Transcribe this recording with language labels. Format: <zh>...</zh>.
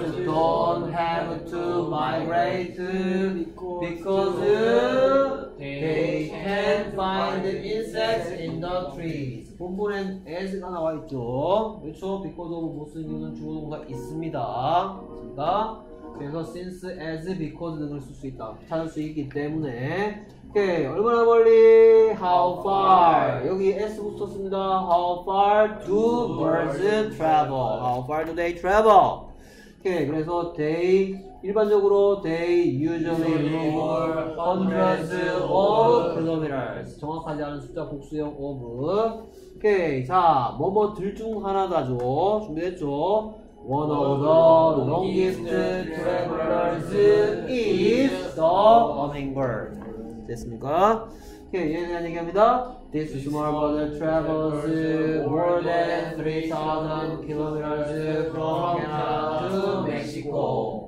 <en>some birds don't have to migrate because they can't find insects in the trees.</en> <ko>본문엔 as가 나와 있죠. 그렇죠? because of 못 쓰는 이유는 주어 동사 있습니다. 맞습니다. 그래서 since, as, because 등을 쓸 수 있다. 찾을 수 있기 때문에. 오케이. 얼마나 멀리?</ko> <en>How far?</en> <ko>여기 s 붙었습니다.</ko> <en>How far do birds travel? How far do they travel?</en> <ko>오케이. 그래서</ko> <en>they 일반적으로 they usually move hundreds of kilometers.</en> <ko>정확하지 않은 숫자 복수형 of. 오케이. 자, 뭐뭐 둘 중 하나다죠. 준비됐죠?</ko> <en>One of the longest travelers is the hummingbird.</en> <ko>됐습니까? 오케이. 얘에 대한 얘기합니다.</ko> <en>This small bird travels more than 3,000 kilometers from Canada to Mexico.</en>